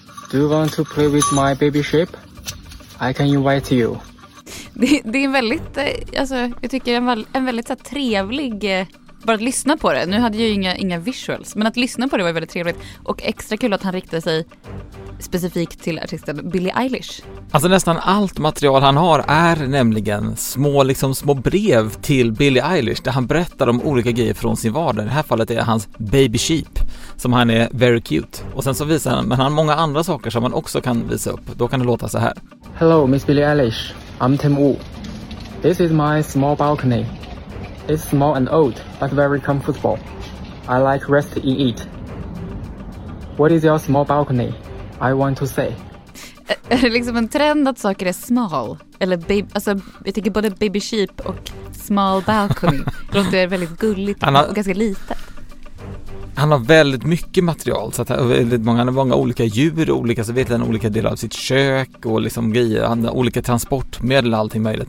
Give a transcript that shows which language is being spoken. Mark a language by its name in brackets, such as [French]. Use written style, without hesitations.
[English] Do you want to play with my baby sheep? I can invite you. [Swedish] Det är en väldigt, alltså, jag tycker en väldigt så trevlig. Bara att lyssna på det. Nu hade jag ju inga visuals. Men att lyssna på det var väldigt trevligt. Och extra kul att han riktade sig specifikt till artisten Billie Eilish. Alltså nästan allt material han har är nämligen små, liksom små brev till Billie Eilish. Där han berättar om olika grejer från sin vardag. I det här fallet är hans baby sheep. Som han är very cute. Och sen så visar han, men han har många andra saker som man också kan visa upp. Då kan det låta så här. [English] Hello Miss Billie Eilish. I'm Tim Wu. This is my small balcony. It's small and old, but very comfortable. I like rest in it. What is your small balcony? I want to say. [Swedish] Är det liksom en trend att saker är small? Eller alltså, jag tycker både baby sheep och small balcony låter väldigt gulligt och ganska litet. Han har väldigt mycket material, så att han har många olika djur, olika, så vet han olika delar av sitt kök och liksom grejer, han har olika transportmedel, allting möjligt.